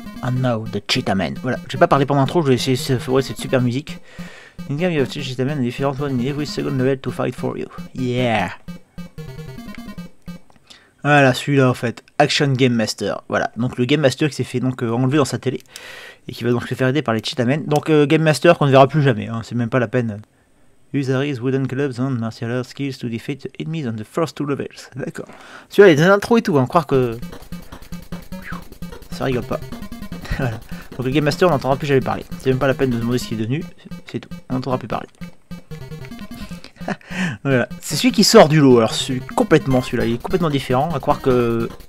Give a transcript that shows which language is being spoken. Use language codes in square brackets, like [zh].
[en] Now the Cheetah Man. [fr] Voilà, je vais pas parler pendant l'intro, je vais essayer de faire cette super musique. [en] In game, you have Cheetah Man, a different one in every second level to fight for you. Yeah! [fr] Voilà, celui-là en fait. Action Game Master. Voilà, donc le Game Master qui s'est fait donc enlever dans sa télé et qui va donc se faire aider par les Cheetah Man. Donc Game Master qu'on ne verra plus jamais, hein. C'est même pas la peine. [en] Use Harry's Wooden Clubs and Martial Arts Skills to defeat enemies on the first two levels. [fr] D'accord. Celui-là, il y a des intros et tout, hein. Croire que. Ça rigole pas. Voilà. Donc le Game Master on n'entendra plus jamais parler. C'est même pas la peine de demander ce qu'il est devenu, c'est tout, on n'entendra plus parler. Voilà. C'est celui qui sort du lot, alors c'est complètement celui-là, il est complètement différent, à croire que...